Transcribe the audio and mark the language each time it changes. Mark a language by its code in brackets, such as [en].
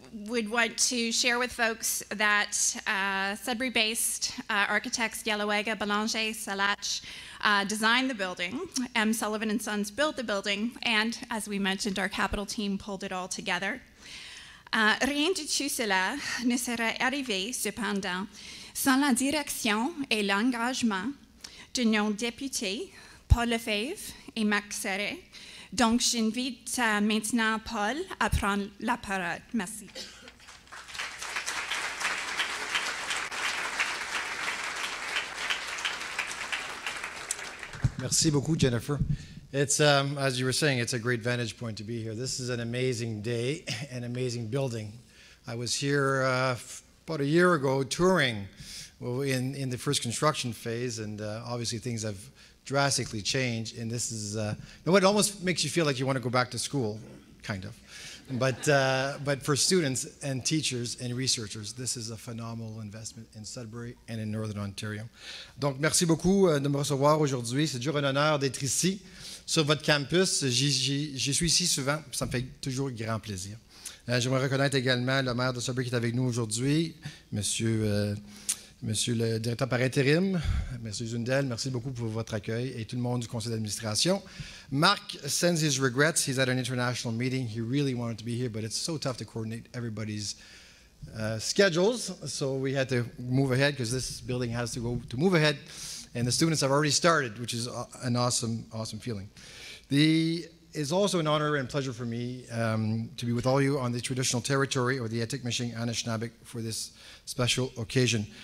[en] Would want to share with folks that Sudbury-based architects Yellowega, Belanger, Salach designed the building. M. Sullivan and Sons built the building, and as we mentioned, our capital team pulled it all together. [fr] Rien de tout cela ne serait arrivé, cependant, sans la direction et l'engagement de nos députés, Paul Lefebvre et Max Serret. Donc, j'invite maintenant Paul à prendre la parole. Merci. Merci beaucoup, Jennifer. [en] It's, as you were saying, it's a great vantage point to be here. This is an amazing day, an amazing building. I was here about a year ago touring in the first construction phase, and obviously things have drastically changed, and this is, it almost makes you feel like you want to go back to school, kind of. But for students and teachers and researchers, this is a phenomenal investment in Sudbury and in Northern Ontario. [fr] Donc, merci beaucoup de me recevoir aujourd'hui. C'est toujours un honneur d'être ici sur votre campus. J'y suis ici souvent. Ça me fait toujours grand plaisir. J'aimerais reconnaître également le maire de Sudbury qui est avec nous aujourd'hui, monsieur le directeur par intérim, monsieur Zundel. Merci beaucoup pour votre accueil et tout le monde du conseil d'administration. [en] Mark sends his regrets. He's at an international meeting. He really wanted to be here, but it's so tough to coordinate everybody's schedules. So we had to move ahead because this building has to go to move ahead. And the students have already started, which is an awesome, awesome feeling. It's also an honor and pleasure for me to be with all you on the traditional territory or the Atikmishing Anishinaabeg for this special occasion.